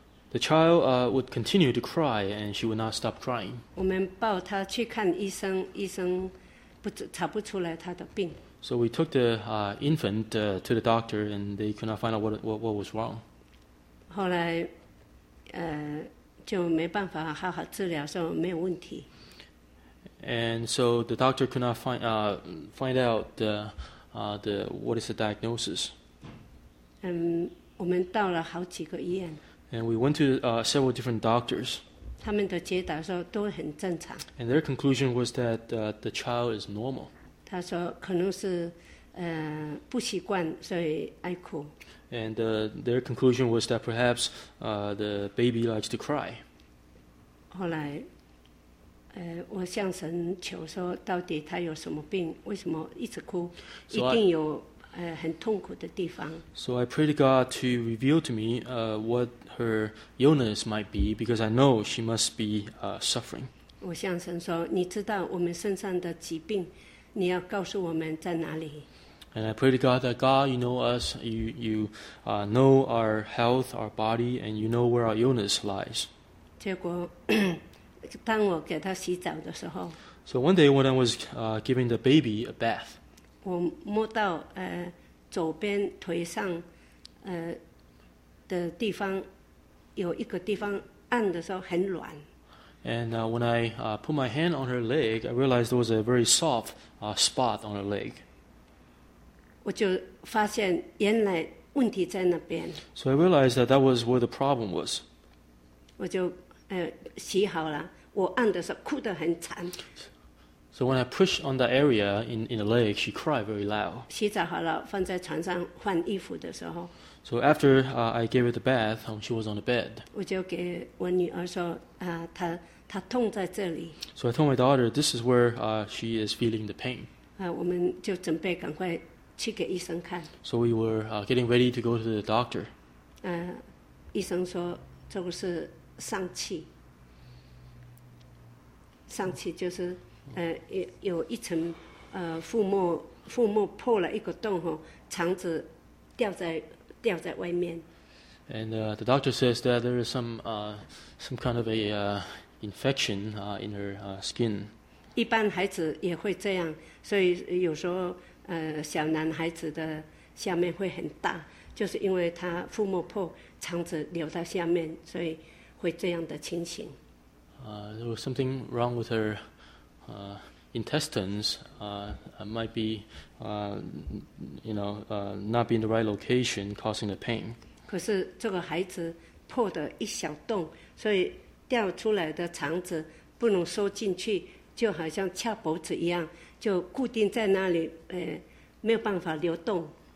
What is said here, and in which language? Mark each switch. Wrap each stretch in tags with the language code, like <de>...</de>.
<en>The child would continue to cry, and she would not stop crying.</en> <zh>我们抱他去看医生，医生查不出来他的病。</zh> <en>So we took the infant to the doctor, and they could not find out what was wrong.</en> <zh>后来，就没办法好好治疗，说没有问题。</zh> <en>And so the doctor could not find out the what is the diagnosis.</en> <zh>我们到了好几个医院。</zh> <en>And we went to several different doctors.</en> <zh>他们的解答说都很正常。</zh> <en>And their conclusion was that the child is normal.</en> <zh>他说可能是不习惯，所以爱哭。</zh> <en>And their conclusion was that perhaps the baby likes to cry.</en> <zh>后来。我向神求说，到底他有什么病？为什么一直哭？</zh> <en>So、</en> <zh>一定有很痛苦的地方。</zh> <en>So I prayed to God to reveal to me what her illness might be, because I know she must be suffering.</en> <zh>我向神说，你知道我们身上的疾病，你要告诉我们在哪里。</zh> <en>And I prayed to God that God, you know us, you know our health, our body, and you know where our illness lies.</en> <zh>结果。当我给他洗澡的时候</zh> <en>，So one day when I was giving the baby a bath，</en> <zh>我摸到左边腿上的地方有一个地方按的时候很软。</zh> <en>And when I put my hand on her leg， I realized there was a very soft spot on her leg。</en> <zh>我就发现原来问题在那边。</zh> <en>So I realized that was where the problem was。</en> <zh>我就洗好了。我按的时候哭得很惨。</zh> <en>So when I pushed on the area in the leg, she cried very loud.</en> <zh>洗澡好了，放在床上换衣服的时候。</zh> <en>So after I gave her the bath, she was on the bed.</en> <zh>我就给我女儿说，她痛在这里。</zh> <en>So I told my daughter, this is where she is feeling the pain.</en> <zh>我们就准备赶快去给医生看。</zh> <en>So we were getting ready to go to the doctor.</en> <zh>医生说这个是疝气。上去就是有一层腹膜破了一个洞吼，肠子掉在外面。</zh> <en>And the doctor says that there is some kind of a infection in her skin.</en> <zh>一般孩子也会这样，所以有时候小男孩子的下面会很大，就是因为他腹膜破，肠子流到下面，所以会这样的情形。</zh> <en>There was something wrong with her intestines. Might be, not be in the right location, causing the pain.</en> <zh>可是这个孩子破的一小洞，所以掉出来的肠子不能收进去，就好像翘脖子一样，就固定在那里，没有办法流动。</zh>